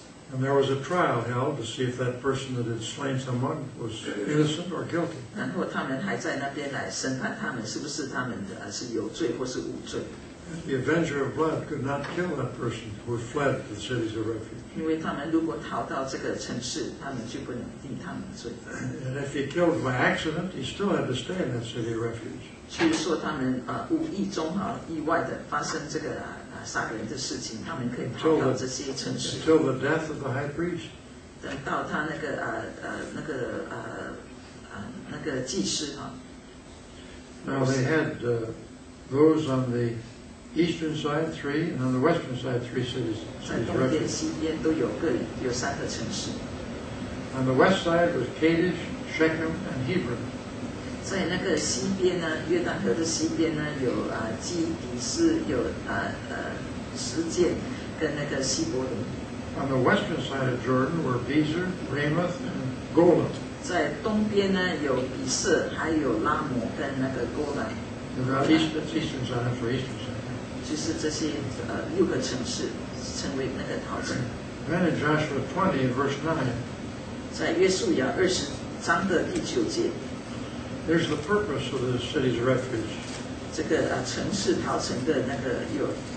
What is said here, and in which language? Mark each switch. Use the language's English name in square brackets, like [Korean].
[English] And there was a trial held to see if that person that had slain someone was innocent or guilty. [Chinese] 然后他们还在那边来审判他们是不是他们的是有罪或是无罪。 [English] And the avenger of blood could not kill that person who had fled to the cities of refuge. [Chinese] 因为他们如果逃到这个城市，他们就不能定他们罪。 [English] And if he killed by accident, he still had to stay in that city of refuge. [Chinese] 就是说他们无意中意外的发生这个。 [English] Until the death of the high priest. [Chinese] 等到他那个祭司哈。 [English] Now they had those on the eastern side, three, and on the western side, three cities. [Chinese] 在东边、西边都有三个城市。 [English] On the west side was Kadesh, Shechem, and Hebron. [Chinese] 在那个西边呢，约旦河的西边呢，有基底斯，有实践跟那个希伯伦。 [English] On the western side of Jordan were Bezer, Ramoth, and Golan. [Chinese] 在东边呢有比色，还有拉摩跟那个哥兰。 [English] Eastern side for eastern side. [Chinese] 就是这些六个城市成为那个逃城。 [English] Then in Joshua 20 verse 9. [Chinese] 在约书亚二十章的第九节。 [English] There's the purpose of the city's refuge. [Chinese] 这个城市逃城的那个有。